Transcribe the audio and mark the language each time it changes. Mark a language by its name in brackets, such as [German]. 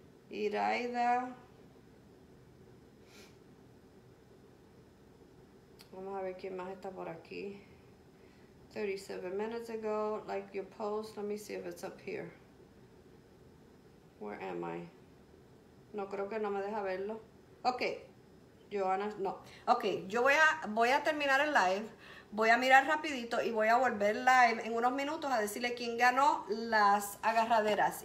[Spanish] Iraida, vamos a ver quién más está por aquí. [English] 37 minutes ago, like your post. Let me see if it's up here. Where am I? [Spanish] No creo que no me deja verlo. Okay, Joana, no. Ok, yo voy a terminar el live. Voy a mirar rapidito y voy a volver live en unos minutos a decirle quién ganó las agarraderas.